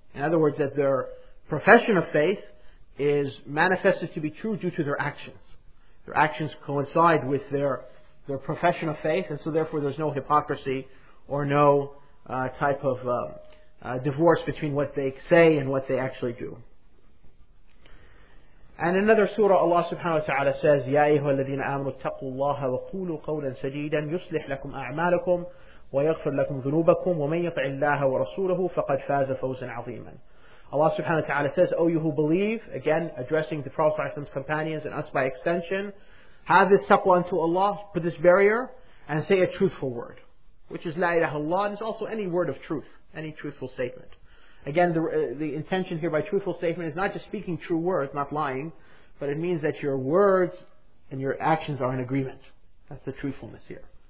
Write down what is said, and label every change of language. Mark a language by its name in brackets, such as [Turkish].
[English] In other words, that their profession of faith is manifested to be true due to their actions. Their actions coincide with their profession of faith, and so therefore there's no hypocrisy or no type of divorce between what they say and what they actually do. And another surah, Allah subhanahu wa ta'ala says, [Arabic] يَا أَيْهُوَ الَّذِينَ آمَنُوا اتَّقُوا اللَّهَ وَقُولُوا قَوْلًا سَجِيدًا يُصْلِحْ لَكُمْ أَعْمَالَكُمْ وَيَغْفِرْ لَكُمْ ذُنُوبَكُمْ وَمَنْ يَطِعِ اللَّهَ وَرَسُولَهُ فَقَدْ فَازَ فَوْزًا عَظِيمًا. [English] Allah subhanahu wa ta'ala says, O you who believe, again addressing the Prophet's companions and us by extension, have this taqwa unto Allah, put this barrier, and say a truthful word, which is La ilaha illallah, and it's also any word of truth, any truthful statement. Again, the intention here by truthful statement is not just speaking true words, not lying, but it means that your words and your actions are in agreement. That's the truthfulness here.